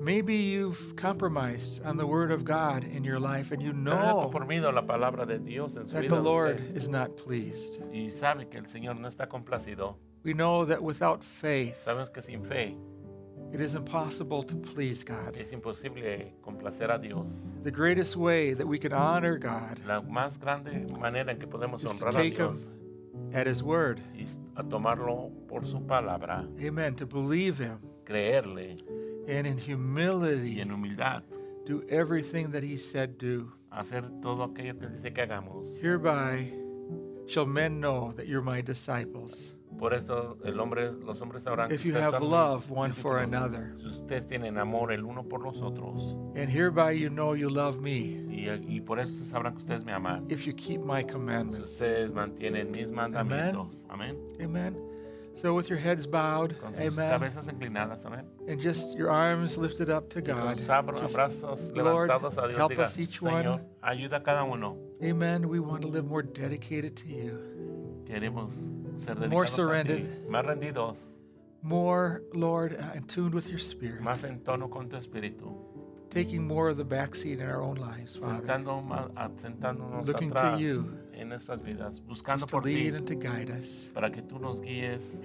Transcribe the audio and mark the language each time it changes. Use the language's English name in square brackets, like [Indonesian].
[English] Maybe you've compromised on the word of God in your life and you know that the Lord is not pleased. [Spanish] Y sabe que el Señor no está complacido. [English] We know that without faith, [Spanish] sabemos que sin fe, [English] it is impossible to please God. [Spanish] Es imposible complacer a Dios. [English] The greatest way that we can honor God, [Spanish] la más grande manera en que podemos [English] is [Spanish] honrar [English] to take [Spanish] a Dios, [English] him at his word. [Spanish] Y a tomarlo por su palabra. [English] Amen. To believe him. [Spanish] Creerle. [English] And in humility, [Spanish] y en humildad, [English] do everything that he said do. [Spanish] Hacer todo aquello que dice que hagamos. [English] Hereby shall men know that you're my disciples. [Spanish] Por eso el hombre, los hombres sabrán [English] if you have love one for another. [Spanish] Si ustedes tienen amor el uno por los otros. [English] And hereby you know you love me. [Spanish] Y por eso sabrán que ustedes me aman. [English] If you keep my commandments. [Spanish] Si ustedes mantienen mis mandamientos. Amen. [English] Amen. Amen. So with your heads bowed, [Spanish] amen. Cabezas inclinadas, amen. [English] And just your arms lifted up to God. [Spanish] Abrazos [English] Lord, [Spanish] levantados a Dios, [English] help [Spanish] diga, [English] us each [Spanish] Señor, [English] one. [Spanish] Ayuda cada uno. [English] Amen. We want to live more dedicated to you. [Spanish] Queremos ser dedicados [English] more surrendered. [Spanish] A ti. Más rendidos. [English] More, Lord, in tuned with your spirit. [Spanish] Más en tono con tu espíritu. [English] Taking more of the back seat in our own lives, Father. [Spanish] Sentándonos [English] looking [Spanish] atrás. [English] To you. [Spanish] En nuestras vidas, buscando por ti, para que tú nos guíes